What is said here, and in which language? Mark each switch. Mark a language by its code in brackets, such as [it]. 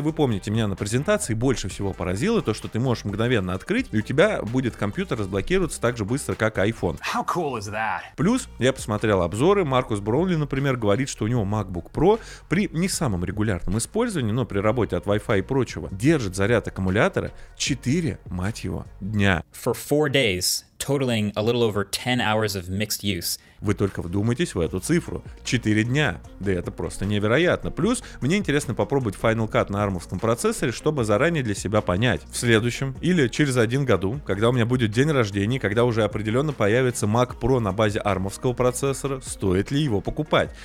[ru] Вы помните, меня на презентации больше всего поразило то, что ты можешь мгновенно открыть, и у тебя будет компьютер разблокироваться так же быстро, как iPhone. [en] How cool is that? [ru] Плюс, я посмотрел обзоры, Маркус Броунли, например, говорит, что у него MacBook Pro при не самом регулярном использовании, но при работе от Wi-Fi и прочего, держит заряд аккумулятора 4, мать его, дня. [en] For 4 days, totaling a little over 10 hours of mixed use. [ru] Вы только вдумайтесь в эту цифру. 4 дня. Да это просто невероятно. Плюс, мне интересно попробовать Final Cut на армовском процессоре, чтобы заранее для себя понять. В следующем или через 1 год, когда у меня будет день рождения, когда уже определенно появится Mac Pro на базе армовского процессора, стоит ли его покупать.